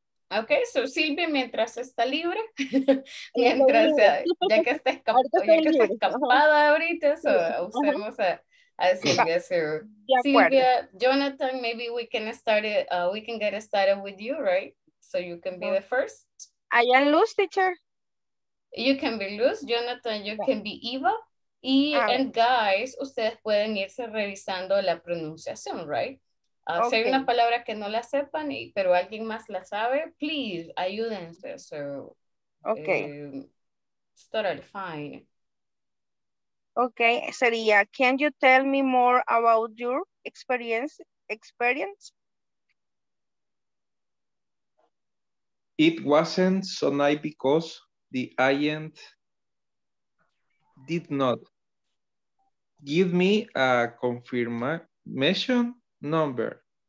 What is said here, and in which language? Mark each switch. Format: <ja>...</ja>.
<es>Okay, so Silvia, mientras está libre, mientras ya que está escapada ahorita, so usemos a...</es> <en>Silvia, Jonathan, maybe we can start it, we can get started with you, right? So you can be the first. I am Luz, teacher. You can be Luz, Jonathan, you can be Eva. And guys,</en> <es>ustedes pueden irse revisando la pronunciación,</es> <en>right?</en> <es>Si hay una palabra que no la sepan, pero alguien más la sabe, please, ayúdense.</es> <en>So, it's totally fine. Okay, sería, can you tell me more about your experience? It wasn't so nice because the agent did not give me a confirmation number.</en>